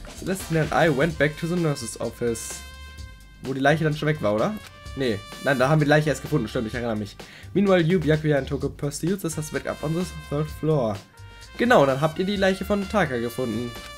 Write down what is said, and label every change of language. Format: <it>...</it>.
<en>Celeste and I went back to the nurse's office.</en> <de>Wo die Leiche dann schon weg war, oder? Nee, nein, da haben wir die Leiche erst gefunden, stimmt, ich erinnere mich.</de> <en>Meanwhile, you, Byakuya and Toko pursued the suspect up on the third floor.</en> <de>Genau, dann habt ihr die Leiche von Taka gefunden.</de>